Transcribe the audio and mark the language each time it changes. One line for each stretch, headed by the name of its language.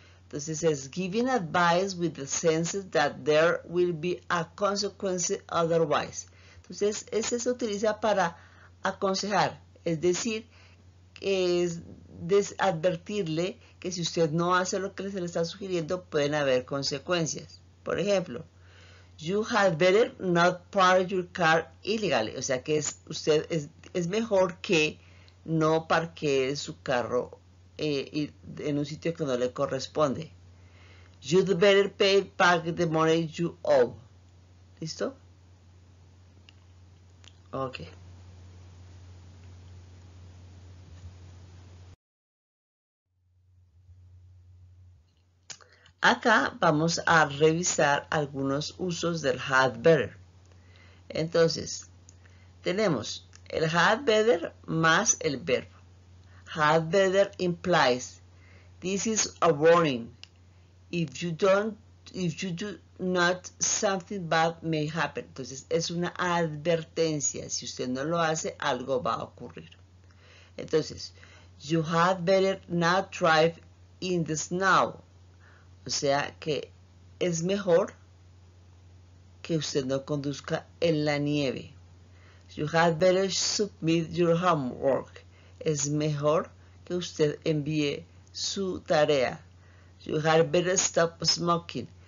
Spanish: Entonces es
English: giving advice with the sense that there will be a consequence otherwise.
Spanish: Entonces ese se utiliza para aconsejar, es decir, es advertirle que si usted no hace lo que se le está sugiriendo, pueden haber consecuencias. Por ejemplo,
English: you had better not park your car illegally.
Spanish: O sea que es mejor que no parquee su carro en un sitio que no le corresponde.
English: You'd better pay back the money you owe.
Spanish: ¿Listo? Ok. Acá vamos a revisar algunos usos del had better. Entonces, tenemos el had better más el verbo.
English: Had better implies, this is a warning. If you do not, something bad may happen.
Spanish: Entonces, es una advertencia. Si usted no lo hace, algo va a ocurrir. Entonces,
English: you had better not drive in the snow.
Spanish: O sea que es mejor que usted no conduzca en la nieve.
English: You had better submit your homework.
Spanish: Es mejor que usted envíe su tarea.
English: You had better stop smoking.